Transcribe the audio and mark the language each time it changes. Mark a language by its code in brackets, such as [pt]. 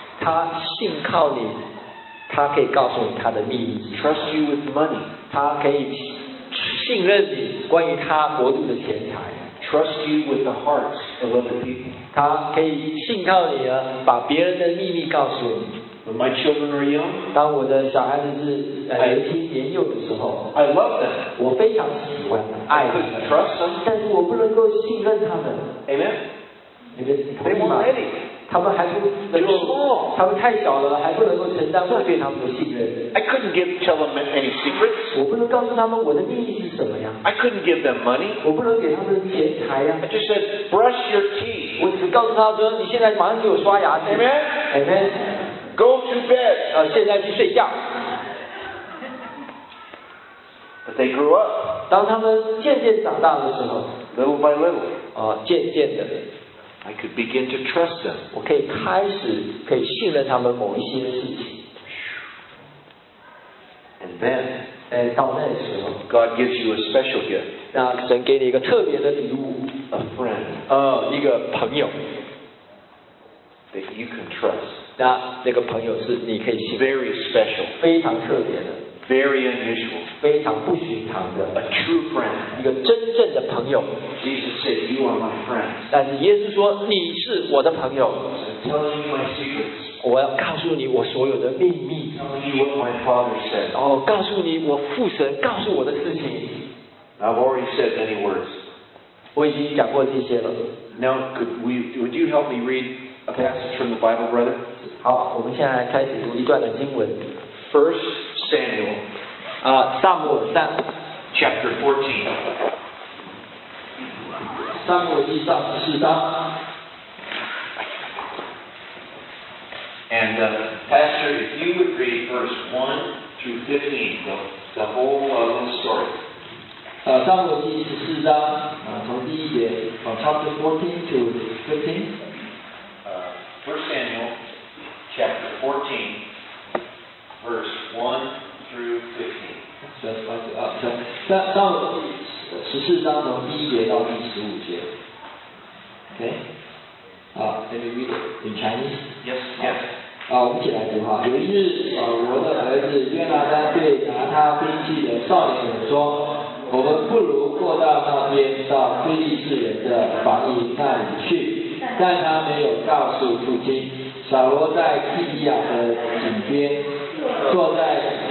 [zh] 他信靠你，他可以告诉你他的秘密。 [en] Trust you with money. [zh] 他可以信任你关于他国度的钱财。 [en] Trust you with the hearts of other people. [zh] 他可以信靠你啊，把别人的秘密告诉你。 [en] When my children are young, [zh] 当我的小孩子是年轻年幼的时候 [en] I love them. [zh] 我非常喜欢爱他们 [en] I couldn't trust them. [zh] 但是我不能够信任他们 [en] Amen. They weren't ready. [zh] 他们还不能够 [en] They're small. [zh] 他们太小了还不能够承担我对他们的信任 [en] I couldn't tell them any secrets. [zh] 我不能告诉他们我的秘密是什么呀 [en] I couldn't give them money. [zh] 我不能给他们钱财呀 [en] I just said, brush your teeth. [zh] 我只告诉他说你现在马上给我刷牙去 [en] Amen. Amen. Go to bed. [zh] 现在去睡觉。 [en] But they grew up. [zh] 当他们渐渐长大的时候。 [en] Little by little. [zh] 渐渐的。 [en] I could begin to trust them. [zh] 我可以开始可以信任他们某一些事情。 [en] And then. [zh] 到那时候。 [en] God gives you a special gift. [zh] 那神给你一个特别的礼物。 [en] A friend. [zh] 一个朋友。 [en] That you can trust. [zh] 那个朋友是你可以信 [en] very special [zh] 非常特别的 [en] very unusual [zh] 非常不寻常的 [en] a true friend [zh] 一个真正的朋友 [en] Jesus said you are my friend [zh] 但是耶稣说你是我的朋友 [en] tell you my secrets [zh] 我要告诉你我所有的秘密 [en] tell you what my father said [zh] 哦，告诉你我父神告诉我的事情 [en] I've already said many words [zh] 我已经讲过这些了 [en] now would you help me readA passage from the Bible, brother. [zh] 好，我们现在开始读一段的经文。 [en] First Samuel. [zh] 撒母耳上。 [en] Chapter 14. [zh] 撒母耳记上十四章。 [en] And Pastor, if you would read verse 1 through 15, the whole of the story. [zh] 撒母耳记十四章，从第一节 ， [en] from chapter 14 to 15. First Samuel, chapter 14, verse 1 through 15. Just like that. [zh] So, 14章从第一节到第十五节 Okay? [en] Let me read it in Chinese. Yes, yes. [zh] 我们一起来读哈。有一日，我的儿子约拿单对拿他兵器的少年说，我们不如过到那边，到非利士人的防营那里去。但他没有告诉父亲，扫罗在基比亚的井边，坐在